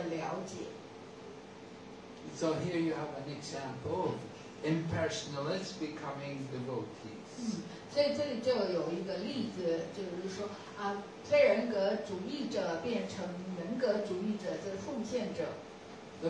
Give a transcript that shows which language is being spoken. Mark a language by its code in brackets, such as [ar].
[zh] 那么从主的莲花组里面，把这土拉西的芬芳这样传出来，进入了这些圣人们的鼻孔里面，那这些圣人们就惊艳到从非人格的状态转变成人格状态的了解。So [en] here you have an example of impersonalists becoming devotees. [zh] 所以这里就有一个例子，就是说啊，非人格主义者变成人格主义者，就是奉献者。The